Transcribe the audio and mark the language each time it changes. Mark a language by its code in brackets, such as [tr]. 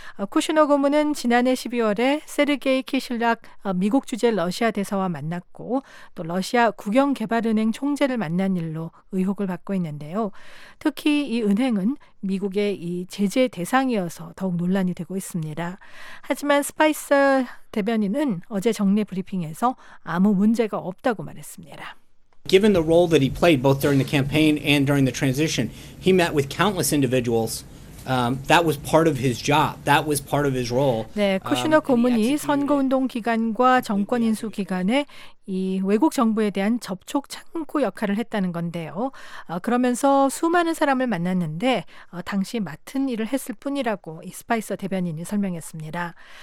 [ko] 쿠슈너 고문은 지난해 12월에 세르게이 키실락 미국 주재 러시아 대사와 만났고 또 러시아 국영개발은행 총재를 만난 일로 의혹을 받고 있는데요. 특히 이 은행은 미국의 이 제재 대상이어서 더욱 논란이 되고 있습니다. 하지만 스파이서 대변인은 어제 정례 브리핑에서 아무 문제가 없다고 말했습니다. [en] Given the role that he played both during the campaign and during the transition, he met with countless individuals. That was part of his job. That was part of his role. [ko] 네, 쿠슈너 고문이 선거 운동 기간과 정권 인수 기간에 이 외국 정부에 대한 접촉 창구 역할을 했다는 건데요. 그러면서 수많은 사람을 만났는데 당시 맡은 일을 했을 뿐이라고 이 스파이서 대변인이 설명했습니다.